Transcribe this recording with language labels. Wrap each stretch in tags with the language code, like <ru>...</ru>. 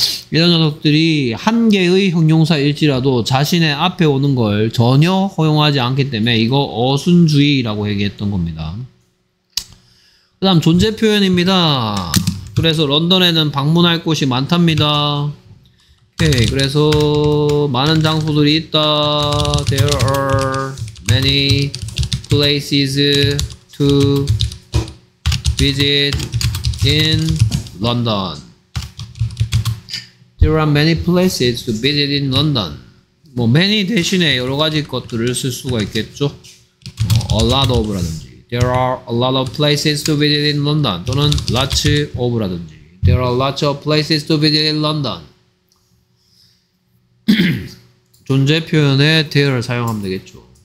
<ko>이런 녀석들이 한 개의 형용사일지라도 자신의 앞에 오는 걸 전혀 허용하지 않기 때문에 이거 어순주의라고 얘기했던 겁니다. 그 다음 존재 표현입니다. 그래서 런던에는 방문할 곳이 많답니다. 오케이. 그래서 많은 장소들이 있다.</ko> <en>There are many places to visit in London. There are many places to visit in London.</en> <ko>뭐 many 대신에 여러 가지 것들을 쓸 수가 있겠죠.</ko> <en>A lot of</en> <ko>라든지</ko> <en>There are a lot of places to visit in London.</en> <ko>또는</ko> <en>lots of</en> <ko>라든지</ko> <en>There are lots of places to visit in London.</en> <ko>존재 표현에 there를 사용하면 되겠죠.</ko>